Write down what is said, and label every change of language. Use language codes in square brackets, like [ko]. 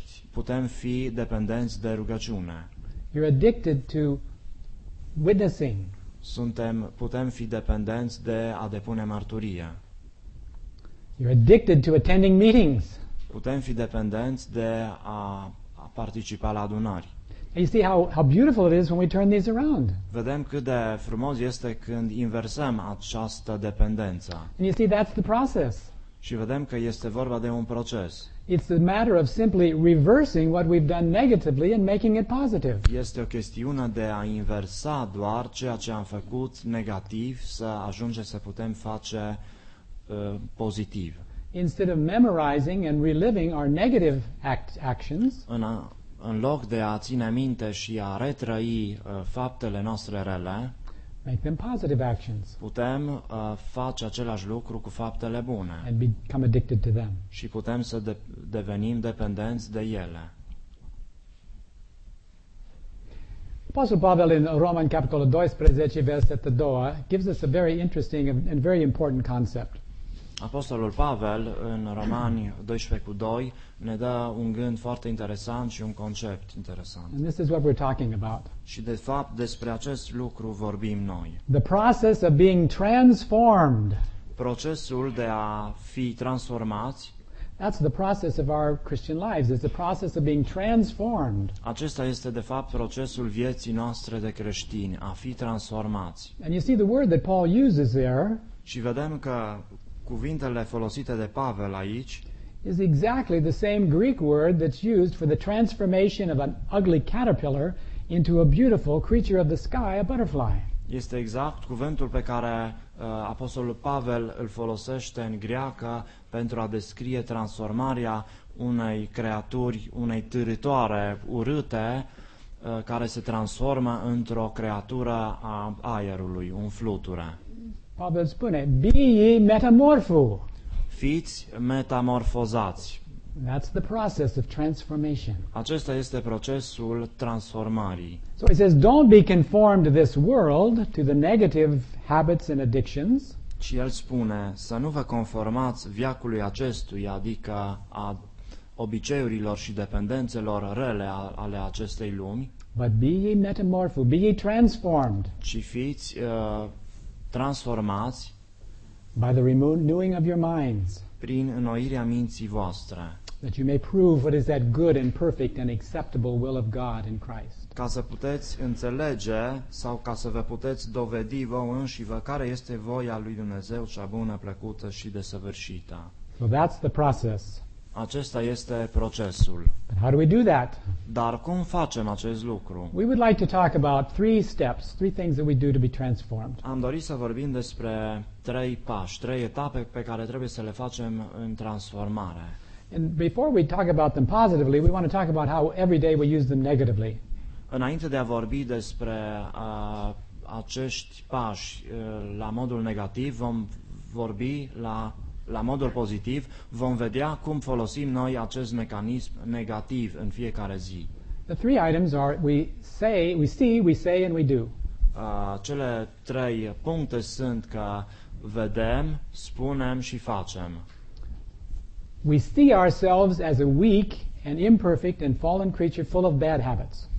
[ro] Putem fi dependenți de rugăciune. [en] You're addicted to witnessing. [ro] Putem fi dependenți de a depune mărturie. [en] You're addicted to attending meetings. [ro] Putem fi dependenți de a participa la adunări. [en] You see how beautiful it is when we turn these around. [ro] Vedem cât de frumos este când inversăm această dependență. [en] And you see, that's the process. [ro] Și vedem că este vorba de un proces. [en] It's a matter of simply reversing what we've done negatively and making it positive. [ro] Este o chestiune de a inversa doar ceea ce am făcut negativ să ajungem să putem face pozitiv. [en] Instead of memorizing and reliving our negative actions, [ro] în loc de a ține minte și a retrăi faptele noastre rele, [en] make them positive actions. [ro] Putem face același lucru cu faptele bune. [en] And become addicted to them. [ro] Și putem să devenim dependenți de ele. [en] Apostle Pavel in Roman [ro] capitolul 12, versetul 2, [en] gives us a very interesting and very important concept. [ro] Apostolul Pavel în Romani 12:2 ne dă un gând foarte interesant și un concept interesant. [en] And this is what we're talking about. [ro] Și de fapt despre acest lucru vorbim noi. [en] The process of being transformed. [ro] Procesul de a fi transformați. [en] That's the process of our Christian lives. It's the process of being transformed. [ro] Acesta este de fapt procesul vieții noastre de creștini, a fi transformați. [en] And you see the word that Paul uses there. [ro] Și vedem că cuvintele folosite de Pavel aici [en] is exactly the same Greek word that's used for the transformation of an ugly caterpillar into a beautiful creature of the sky, a butterfly. [ro] Este exact cuvântul pe care apostolul Pavel îl folosește în greacă pentru a descrie transformarea unei creaturi, unei târitoare urâte, care se transformă într-o creatură a aerului, un fluture. [en] Pavel [ro] spune, [en] be ye metamorpho. [ro] Fiți metamorfozați. [en] That's the process of transformation. [ro] Acesta este procesul transformării. [en] So he says, don't be conformed to this world, to the negative habits and addictions. [ro] Și el spune, să nu vă conformați viacului acestui, adică a obiceiurilor și dependențelor rele ale acestei lumi. [en] But be ye metamorpho, be ye transformed. [ro] Ci fiți transformați [en] by the renewing of your minds, [ro] prin înnoirea minții voastre, [en] that you may prove what is that good and perfect and acceptable will of God in Christ. [ro] Ca să puteți înțelege sau ca să vă puteți dovedi vouă înșivă care este voia lui Dumnezeu cea bună, plăcută și desăvârșită. [en] So that's the process. [ro] Acesta este procesul. [en] But how do we do that? [ro] Dar cum facem acest lucru? [en] We would like to talk about three steps, three things that we do to be transformed. [ro] Am dorit să vorbim despre trei pași, trei etape pe care trebuie să le facem în transformare. [en] And before we talk about them positively, we want to talk about how every day we use them negatively. [ro] Înainte de a vorbi despre acești pași la modul negativ, vom vorbi la modul pozitiv, vom vedea cum folosim noi acest mecanism negativ în fiecare zi. [en] The three items are we say, we see, we say and we do. [ro] Cele trei puncte sunt că vedem, spunem și facem. [en] We see ourselves as a weak and imperfect and fallen creature full of bad habits.